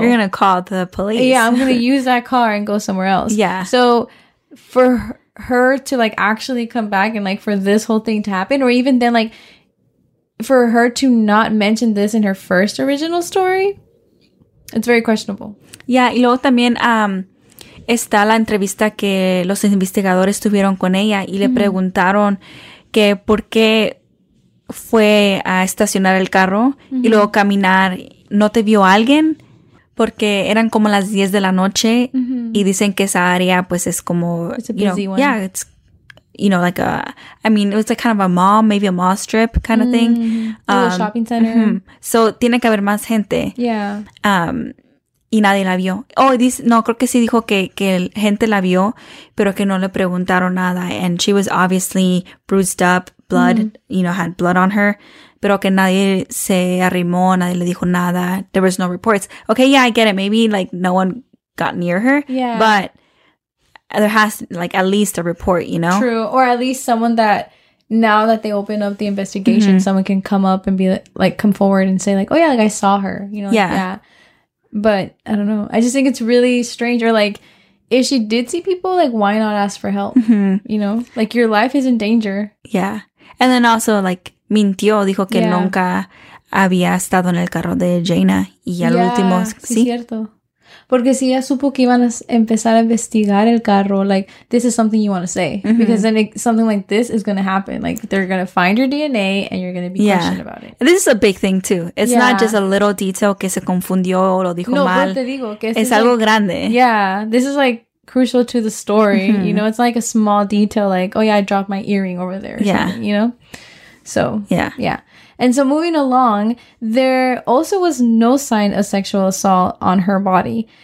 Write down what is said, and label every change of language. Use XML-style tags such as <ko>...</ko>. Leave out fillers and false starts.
<en>You're going to call the police. Yeah, I'm going to use that car and go somewhere else. Yeah. So for her to, like, actually come back and, like, for this whole thing to happen, or even then, like, for her to not mention this in her first original story, it's very questionable.</en> <es>Yeah, y luego también está la entrevista que los investigadores tuvieron con ella y le mm-hmm. preguntaron que por qué fue a estacionar el carro mm-hmm. y luego caminar. ¿No te vio alguien? Porque eran como las 10 de la noche mm-hmm. y dicen que esa área pues es como...</es> <en>It's a busy one. Yeah, it's, you know, like a, I mean, it was like kind of a mall, maybe a mall strip kind of thing. A little shopping center. Mm-hmm.</en> <es>So, tiene que haber más gente.</es> <en>Yeah.</en> <es>Y nadie la vio. Oh, dice, no, creo que sí dijo que gente la vio, pero que no le preguntaron nada.</es> <en>And she was obviously bruised up, blood, you know, had blood on her.</en> <es>Pero que nadie se arrimó, nadie le dijo nada.</es> <en>There was no reports. Okay, yeah, I get it. Maybe, like, no one got near her. Yeah. But there has, like, at least a report, you know? True. Or at least someone that, now that they open up the investigation, someone can come up and be, like, come forward and say, like, oh, yeah, like, I saw her, you know? Yeah. Like, yeah. But I don't know. I just think it's really strange. Or, like, if she did see people, like, why not ask for help? You know? Like, your life is in danger. Yeah. And then also, like,</en> <es>mintió, dijo que nunca había estado en el carro de Jaina. Y ya lo último, sí. Cierto. Porque si ella supo que iban a empezar a investigar el carro,</es> <en>like, this is something you want to say. Because then something like this is going to happen. Like, they're going to find your DNA and you're going to be questioned about it. This is a big thing, too. It's not just a little detail</en> <es>que se confundió o lo dijo no, mal. No, pero te digo que es algo like, grande.</es> <en>Yeah, this is, like, crucial to the story. You know, it's like a small detail, like, oh, yeah, I dropped my earring over there. Yeah. You know? So, yeah. And so moving along, there also was no sign of sexual assault on her body.</en>